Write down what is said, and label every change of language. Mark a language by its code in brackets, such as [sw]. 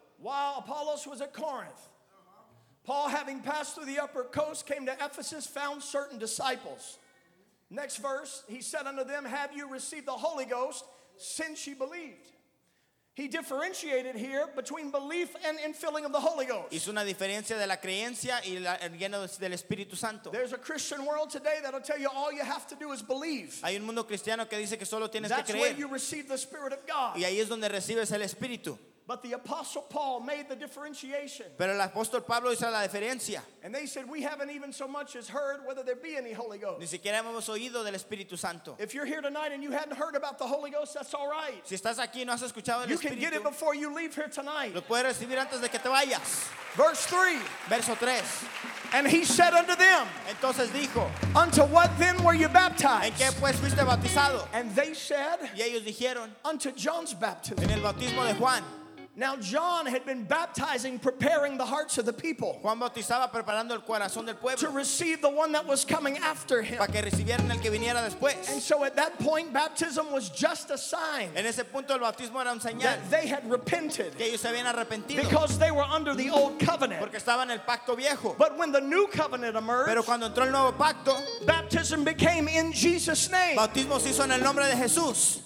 [en] While Apollos was at Corinth, Paul, having passed through the upper coast, came to Ephesus, found certain disciples. Next verse, he said unto them, have you received the Holy Ghost since you believed? He differentiated here between belief and infilling of the Holy Ghost. [es] Hizo una diferencia de la creencia y el lleno del Espíritu Santo. [en] There's a Christian world today that'll tell you all you have to do is believe. [es] Hay un mundo cristiano que dice que solo tienes [en] That's [es] que creer. [en] That's where you receive the Spirit of God. [es] Y ahí es donde recibes el Espíritu. [en] But the apostle Paul made the differentiation. [es] Pero el apóstol Pablo hizo la diferencia. [en] And they said, we haven't even so much as heard whether there be any Holy Ghost. [es] Ni siquiera hemos oído del Espíritu Santo. [en] If you're here tonight and you hadn't heard about the Holy Ghost, that's all right. [es] Si estás aquí y no has escuchado el Espíritu, [en] you can get it before you leave here tonight. [es] Lo puedes recibir antes de que te vayas. [en] Verse 3. [es] Verso 3. [en] And he said unto them, [es] entonces dijo, [en] unto what then were you baptized? [es] ¿En qué pues fuiste bautizado? [en] And they said, [es] y ellos dijeron, [en] unto John's baptism. [es] En el bautismo de Juan. [en] Now John had been baptizing, preparing the hearts of the people. [es] Juan bautizaba preparando el corazón del pueblo. [en] To receive the one that was coming after him. [es] Para que recibieran el que viniera después. [en] And so at that point, baptism was just a sign. [es] En ese punto el bautismo era un señal. [en] That they had repented. [es] Que ellos se habían arrepentido. [en] Because they were under the old covenant. [es] Porque estaban en el pacto viejo. [en] But when the new covenant emerged. [es] Pero cuando entró el nuevo pacto. [en] Baptism became in Jesus' name. [es] Bautismo se hizo en el nombre de Jesús.